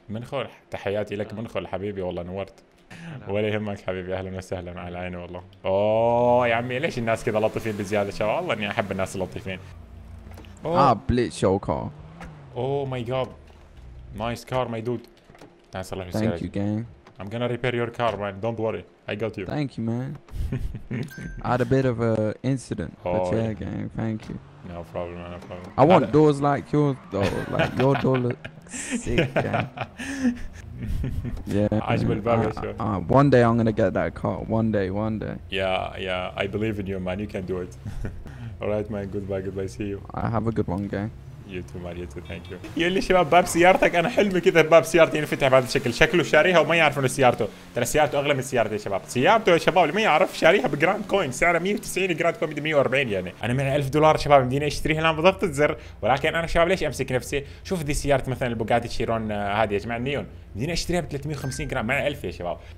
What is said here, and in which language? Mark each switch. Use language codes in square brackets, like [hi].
[ar] منخل تحياتي لك منخل حبيبي والله نورت ولا يهمك حبيبي اهلا وسهلا على عيني والله. اوه يا عمي ليش الناس كذا لطيفين بزياده شباب؟ والله اني احب الناس اللطيفين. [en] Oh بليت شو car. Oh my god nice car my dude. [ar] تعال صلح السيارة. [en] ثانك يو جانج. I'm gonna repair your car man don't worry I got you. Thank you man. I had a bit of an incident but yeah gang thank you. No problem man, no problem. I want doors like yours though like your door looks sick gang. Yeah. [ar] عجب الباب يا شباب. [en] One day I'm gonna get that car one day one day. Yeah yeah I believe in you man you can do it. Alright man goodbye goodbye see you. I have a good one gang. [ar] يوتيوب مال يوتيوب [en] Thank you. [ar] يلي شباب باب سيارتك انا حلمي كذا باب سيارتي ينفتح بهذا الشكل، شكله شاريها وما يعرف انه سيارته، ترى سيارته اغلى من سيارتي يا شباب، سيارته يا شباب اللي ما يعرف شاريها بجراند كوين، سعرها 190 جراند كوين 140 يعني، انا معي 1000 دولار شباب مديني اشتريها الان بضغطة زر، ولكن انا شباب ليش امسك نفسي؟ شوف ذي سيارة مثلا البوجاتي شيرون هذه يا جماعة النيون، مديني اشتريها ب 350 جرام، معي 1000 يا شباب.